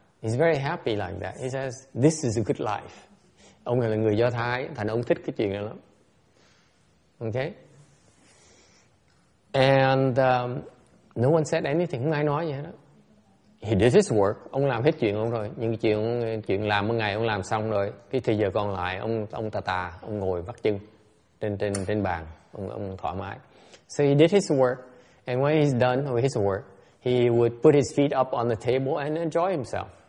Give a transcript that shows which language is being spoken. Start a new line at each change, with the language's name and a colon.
English: He's very happy like that. He says, this is a good life.
Vietnamese: Ông này là người Do Thái, thành ông thích cái chuyện này lắm. Okay?
English: And no one said anything.
Vietnamese: Không ai nói gì hết.
English: He did his work.
Vietnamese: Ông làm hết chuyện ông rồi. Những chuyện làm mỗi ngày ông làm xong rồi. Cái thời giờ còn lại ông tà tà, ông ngồi vắt chân trên bàn, ông thoải mái.
English: So he did his work, and when he's done with his work, he would put his feet up on the table and enjoy himself.